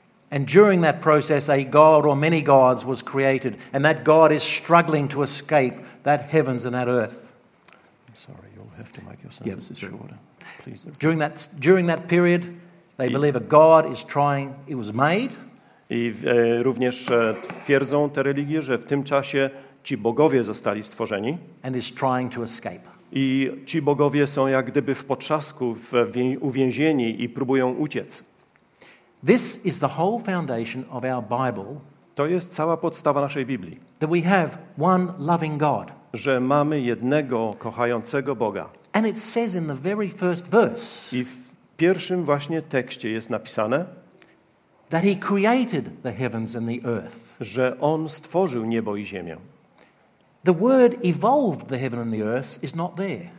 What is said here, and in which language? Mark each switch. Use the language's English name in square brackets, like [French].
[English] And during that process, a god or many gods was created, and that god is struggling to escape that heavens and that earth. I'm sorry, you'll have to make yourself yep, this sure. Order. Please. During that period, they believe a God is trying. It was made. [Polish] I również twierdzą te religie, że w tym czasie ci bogowie zostali stworzeni. [English] And is trying to escape. [Polish] I ci bogowie są jak gdyby w potrzasku, w uwięzieni i próbują uciec. [English] This is the whole foundation of our Bible. [Polish] To jest cała podstawa naszej Biblii. [English] That we have one loving God. [Polish] Że mamy jednego kochającego Boga. [English] And it says in the very first verse. [Polish] I w pierwszym właśnie tekście jest napisane. [English] That he created the heavens and the earth. [Polish] Że on stworzył niebo i ziemię. [English] The word evolved the heaven and the earth is not there.